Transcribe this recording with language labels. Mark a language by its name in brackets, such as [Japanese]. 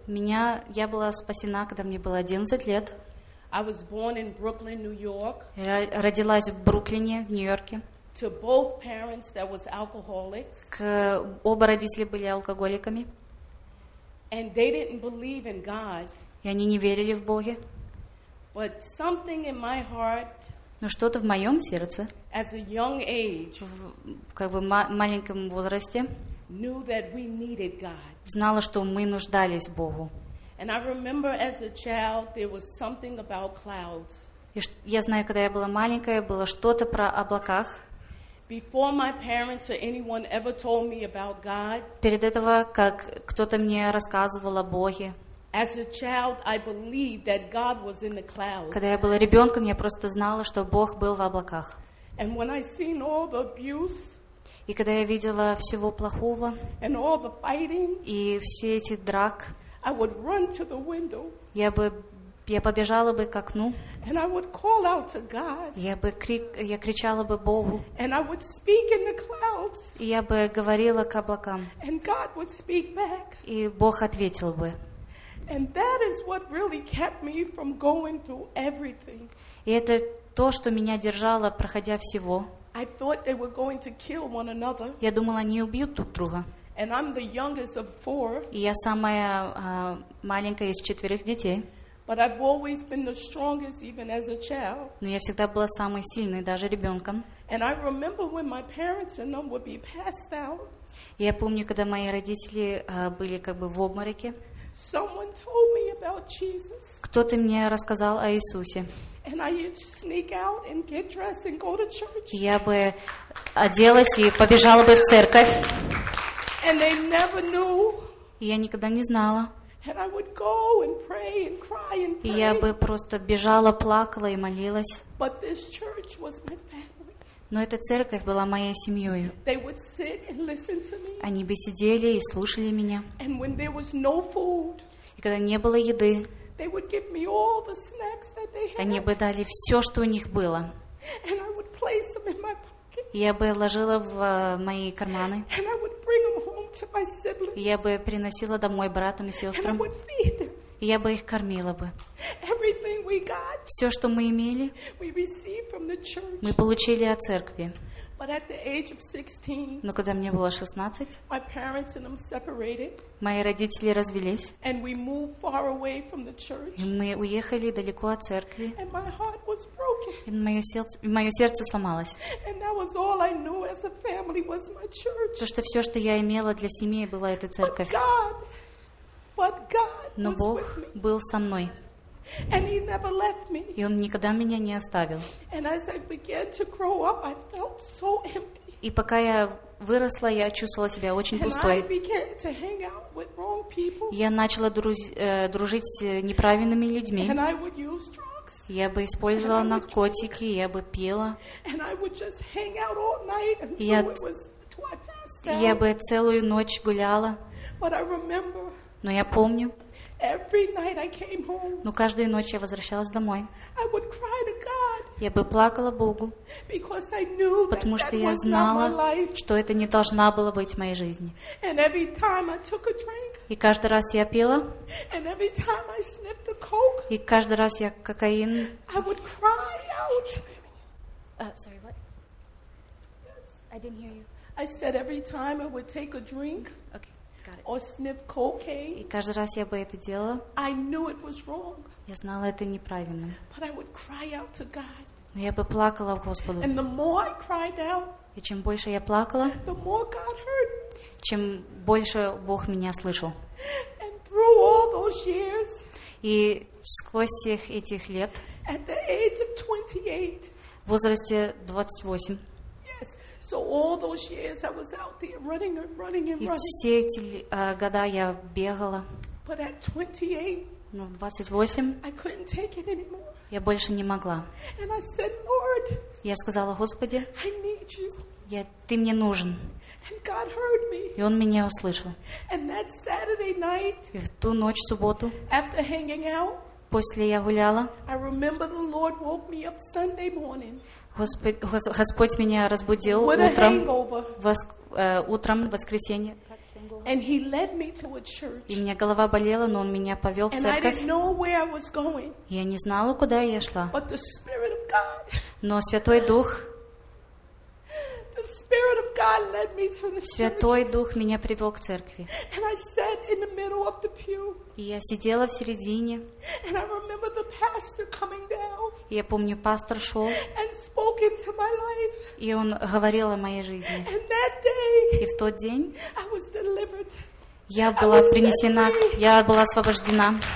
[Russian] Я была спасена, когда мне было 11 лет. [English] I was born in Brooklyn, New York. [Russian] Родилась в Бруклине, в Нью-Йорке. [English] To both parents that was alcoholics. [Russian] Оба родители были алкоголиками. [English] And they didn't believe in God. [Russian] И они не верили в Бога. [English] But something in my heart. [Russian] Но что-то в моем сердце, [English] as a young age, [Russian] в как бы маленьком возрасте, [English] knew that we needed God. [Russian] Знала, что мы нуждались в Богу. [English] And I remember as a child, there was something about clouds. [Russian] Я знаю, когда я была маленькая, было что-то про облаках. [English] Before my parents or anyone ever told me about God, [Russian] перед этого, как кто-то мне рассказывал о Боге. [English] As a child, I believed that God was in the clouds. [Russian] Когда я была ребенком, я просто знала, что Бог был в облаках. [English] And when I seen all the abuse, [Russian] и когда я видела всего плохого, [English] and all the fighting, [Russian] и все эти драк, [English] I would run to the window. [Russian] Я бы Я побежала бы к окну. [English] And I would call out to God. [Russian] Я кричала бы Богу. [English] And I would speak in the clouds. [Russian] И я бы говорила к облакам. [English] And God would speak back. [Russian] И Бог ответил бы. [English] And that is what really kept me from going through everything. [Russian] И это то, что меня держало, проходя всего. [English] I thought they were going to kill one another. [Russian] Я думала, они убьют друг друга. [English] And I'm the youngest of four. [Russian] И я самая маленькая из четверых детей. [English] But I've always been the strongest, even as a child. [Russian] Но я всегда была самой сильной, даже ребенком. [English] And I remember when my parents and them would be passed out. [Russian] Я помню, когда мои родители были как бы в обмороке. [English] Someone told me about Jesus. [Russian] Кто-то мне рассказал о Иисусе. [English] And I used to sneak out and get dressed and go to church. [Russian] Я бы оделась и побежала бы в церковь. [English] And they never knew. [Russian] Я никогда не знала. [English] And I would go and pray and cry and pray. [Russian] И я бы просто бежала, плакала и молилась. [English] But this church was my family. [Russian] Но эта церковь была моей семьей. [English] They would sit and listen to me. [Russian] Они бы сидели и слушали меня. [English] And when there was no food. [Russian] И когда не было еды. [English] They would give me all the snacks that they had. [Russian] Они бы дали все, что у них было. [English] And I would place them in my pocket. [Russian] Я бы ложила в мои карманы. [English] And I would bring them home to my siblings. [Russian] Я бы приносила домой братам и сестрам. [English] And I would feed them. [Russian] Я бы их кормила бы. [English] Everything we got, [Russian] все, что мы имели, [English] we received from the church. [Russian] Мы получили от церкви. [English] But at the age of 16, [Russian] но когда мне было 16, [English] my parents and them separated, [Russian] мои родители развелись, [English] and we moved far away from the church, [Russian] и мы уехали далеко от церкви, [English] and my heart was broken, [Russian] и мое сердце сломалось. [English] And that was all I knew as a family was my church. [Russian] То, что все, что я имела для семьи, была эта церковь. [English] But God [Russian] но Бог был со мной. [English] And he never left me. [Russian] И он никогда меня не оставил. [English] And as I began to grow up, I felt so empty. [Russian] И пока я выросла, я чувствовала себя очень пустой. [English] And I began to hang out with wrong people. [Russian] Я начала дружить с неправильными людьми. [English] And I would use drugs. [Russian] Я бы использовала наркотики, я бы пила. [English] And I would just hang out all night until it was till I passed out. [Russian] Я бы целую ночь гуляла. [English] But I remember. [Russian] Но я помню. [English] Every night I came home. [Russian] Но каждую ночь я возвращалась домой. [English] I would cry to God. [Russian] Я бы плакала Богу. [English] Because I knew that [Russian] потому что я знала, что это не должна была быть моей жизнью. [English] And every time I took a drink. [Russian] И каждый раз я пила. [English] And every time I sniffed the coke. [Russian] И каждый раз я кокаин. [English] I would cry out. Sorry, what? Yes. I didn't hear you. I said every time I would take a drink. Okay. Or sniff cocaine. [Russian] И каждый раз я бы это делала. [English] I knew it was wrong. [Russian] Я знала это неправильно. [English] But I would cry out to God. [Russian] Но я бы плакала в Господу. [English] And the more I cried out, [Russian] и чем больше я плакала, [English] the more God heard. [Russian] Чем больше Бог меня слышал. [English] And through all those years, [Russian] и сквозь всех этих лет, [English] at the age of 28, [Russian] в возрасте 28, [English] so all those years I was out there running and running and running. [Russian] И все эти года я бегала. [English] But at 28, [Russian] но в 28, [English] I couldn't take it anymore. [Russian] Я больше не могла. [English] And I said, Lord, [Russian] я сказала, Господи, [English] I need you. [Russian] Ты мне нужен. [English] And God heard me. [Russian] И Он меня услышал. [English] And that Saturday night, [Russian] и в ту ночь, в субботу, [English] after hanging out, [Russian] после я гуляла, [English] I remember the Lord woke me up Sunday morning. [Russian] Господь меня разбудил утром, утром в воскресенье. [English] And he led me to a church. [Russian] И у меня голова болела, но он меня повел в церковь. [English] And I didn't know where I was going. [Russian] Я не знала, куда я шла. [English] But the Spirit of God, [Russian] но Святой Дух, [English] the Spirit of God led me to the [Russian] Святой Дух меня привел к церкви. [English] And I sat in the middle of the pew. [Russian] И я сидела в середине. [English] And I remember the pastor coming down. [Russian] И я помню, пастор шел. [English] And spoke into my life. [Russian] И он говорил о моей жизни. [English] And that day, [Russian] и в тот день [English] I was delivered. [Russian] Я была принесена, я была освобождена.